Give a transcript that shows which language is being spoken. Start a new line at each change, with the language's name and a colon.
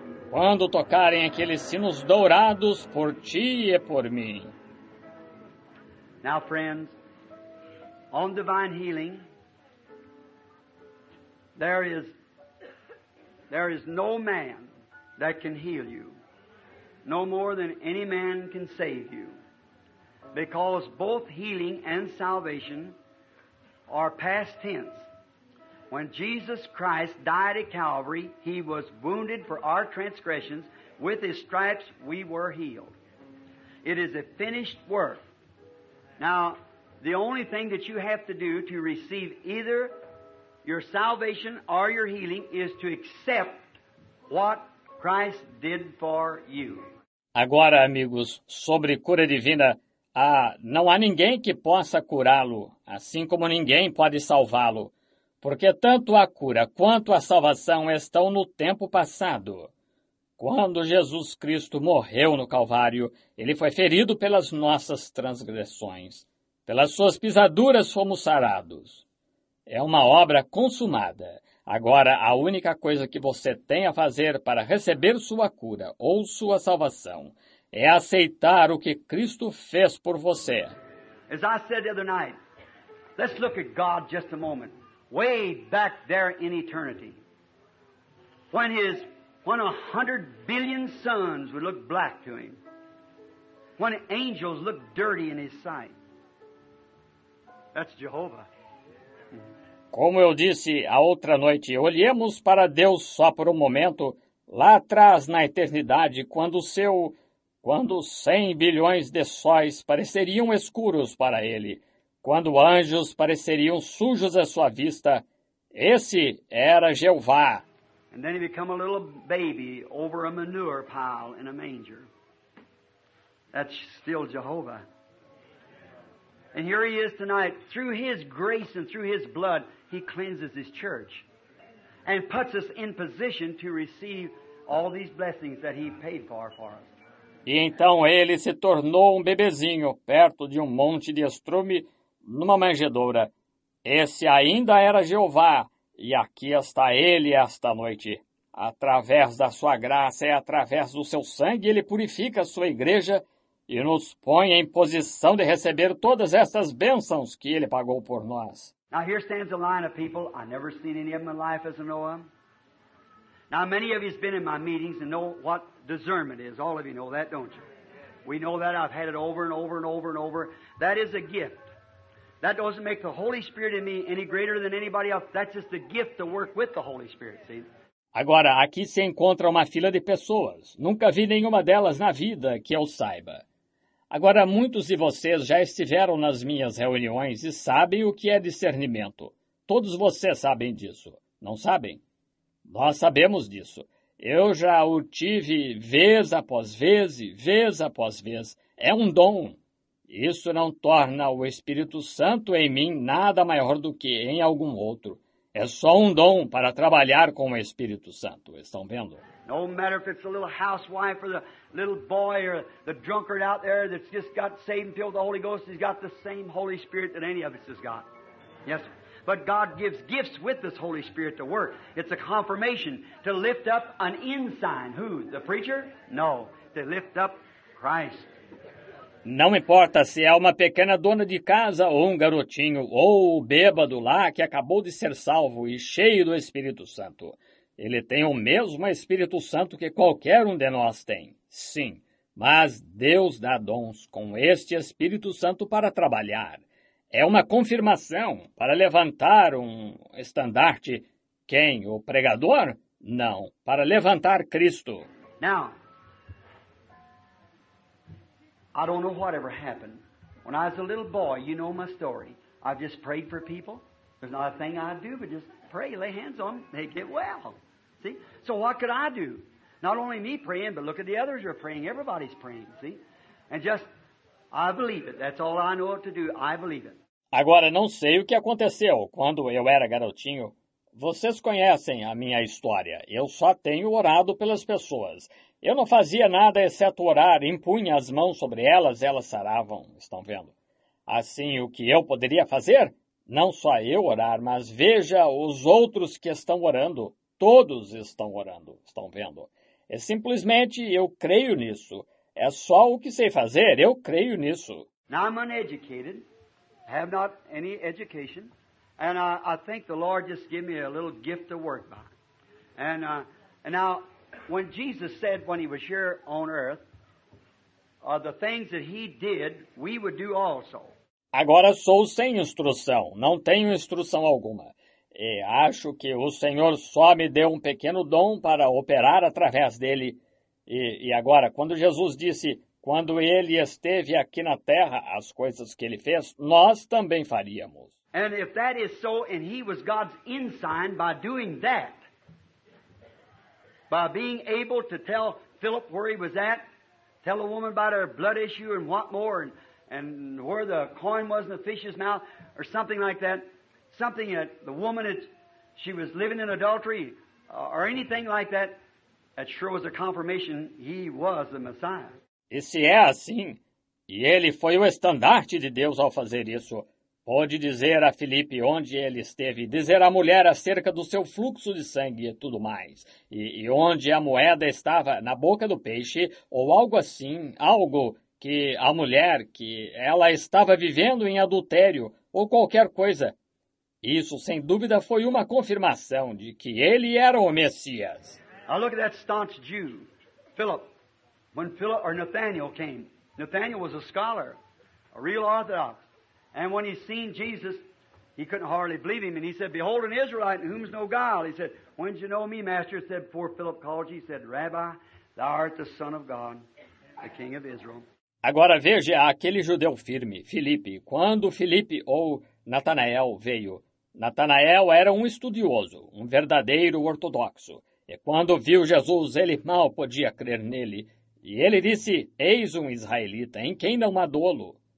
Portuguese: Quando tocarem aqueles sinos dourados por ti e por mim.
English: Now, friends, on divine healing, there is no man that can heal you. No more than any man can save you. Because both healing and salvation are past tense. When Jesus Christ died at Calvary, he was wounded for our transgressions. With his stripes, we were healed. It is a finished work. Now, the only thing that you have to do to receive either your salvation or your healing is to accept what Christ did for you.
Portuguese: Agora, amigos, sobre cura divina, não há ninguém que possa curá-lo, assim como ninguém pode salvá-lo, porque tanto a cura quanto a salvação estão no tempo passado. Quando Jesus Cristo morreu no Calvário, ele foi ferido pelas nossas transgressões. Pelas suas pisaduras fomos sarados. É uma obra consumada. Agora, a única coisa que você tem a fazer para receber sua cura ou sua salvação é aceitar o que Cristo fez por você.
English: As I said the other night, let's look at God just a moment, way back there in eternity, when 100 billion suns would look black to him, when angels looked dirty in his sight. That's Jehovah.
Portuguese: Como eu disse a outra noite, olhemos para Deus só por um momento, lá atrás na eternidade, quando 100 bilhões de sóis pareceriam escuros para ele, quando anjos pareceriam sujos à sua vista, esse era Jeová.
English: And then he became a little baby over a manure pile in a manger. That's still Jehovah. And here he is tonight, through his grace and through his blood, he cleanses his church and puts us in position to receive all these blessings that he paid for us.
Portuguese: E então ele se tornou um bebezinho perto de um monte de estrume numa manjedoura. Esse ainda era Jeová, e aqui está ele esta noite. Através da sua graça e através do seu sangue, ele purifica a sua igreja e nos põe em posição de receber todas estas bênçãos que ele pagou por nós.
English: Now here stands a line of people. I've never seen any of them in life as I know them. Now many of you have been in my meetings and know what discernment is. All of you know that, don't you? We know that. I've had it over and over and over and over. That is a gift. That doesn't make the Holy Spirit in me any greater than anybody else. That's just a gift to work with the Holy Spirit, see?
Portuguese: Agora, aqui se encontra uma fila de pessoas. Nunca vi nenhuma delas na vida, que eu saiba. Agora, muitos de vocês já estiveram nas minhas reuniões e sabem o que é discernimento. Todos vocês sabem disso, não sabem? Nós sabemos disso. Eu já o tive vez após vez, vez após vez. É um dom. Isso não torna o Espírito Santo em mim nada maior do que em algum outro. É só um dom para trabalhar com o Espírito Santo. Estão vendo?
English: No matter if it's a little housewife or the little boy or the drunkard out there that's just got saved and filled with the Holy Ghost, he's got the same Holy Spirit that any of us has got. Yes, sir. But God gives gifts with this Holy Spirit to work. It's a confirmation to lift up an ensign. Who? The preacher? No. To lift up Christ.
Portuguese: Não importa se é uma pequena dona de casa ou um garotinho ou o bêbado lá que acabou de ser salvo e cheio do Espírito Santo. Ele tem o mesmo Espírito Santo que qualquer um de nós tem, sim. Mas Deus dá dons com este Espírito Santo para trabalhar. É uma confirmação para levantar um estandarte. Quem? O pregador? Não, para levantar Cristo.
English: Now. I don't know whatever happened. When I was a little boy, you know my story. I just prayed for people. There's not a thing I do but just pray, lay hands on them, they get well. See? So what could I do? Not only me praying, but look at the others who are praying. Everybody's praying, see? And just, I believe it. That's all I know what to do. I believe it.
Portuguese: Agora, não sei o que aconteceu quando eu era garotinho. Vocês conhecem a minha história. Eu só tenho orado pelas pessoas. Eu não fazia nada exceto orar, impunha as mãos sobre elas saravam, estão vendo? Assim, o que eu poderia fazer? Não só eu orar, mas veja os outros que estão orando, todos estão orando, estão vendo? É simplesmente, eu creio nisso, é só o que sei fazer, eu creio nisso.
English: Now I'm uneducated, have not any education, and I think the Lord just gave me a little gift to work by. And now... When Jesus said when he was here on earth, the things that he did, we would do also.
Portuguese: Agora sou sem instrução, não tenho instrução alguma. E acho que o Senhor só me deu um pequeno dom para operar através dele. E agora, quando Jesus disse, quando ele esteve aqui na terra, as coisas que ele fez, nós também faríamos.
English: And if that is so, and he was God's ensign by doing that, by being able to tell Philip where he was at, tell a woman about her blood issue and what more, and where the coin was in the fish's mouth, or something like that. Something that the woman, she was living in adultery, or anything like that, that sure was a confirmation he was the Messiah.
Portuguese: E se é assim, e ele foi o estandarte de Deus ao fazer isso, pode dizer a Filipe onde ele esteve, dizer à mulher acerca do seu fluxo de sangue e tudo mais, e onde a moeda estava, na boca do peixe, ou algo assim, algo que a mulher, que ela estava vivendo em adultério, ou qualquer coisa. Isso, sem dúvida, foi uma confirmação de que ele era o Messias.
English: Now look at that staunch Jew, Philip. When Philip or Nathanael came, Nathanael was a scholar, a real orthodox. And when he seen Jesus, he couldn't hardly believe him. And he said, behold, an Israelite in whom is no guile. He said, when did you know me, Master? He said, before Philip called you. He said, Rabbi, thou art the Son of God, the King of Israel.
Portuguese: Agora veja aquele judeu firme, Filipe. Quando Filipe ou Natanael veio, Natanael era um estudioso, um verdadeiro ortodoxo. E quando viu Jesus, ele mal podia crer nele. E ele disse, eis um israelita, em quem não há dolo.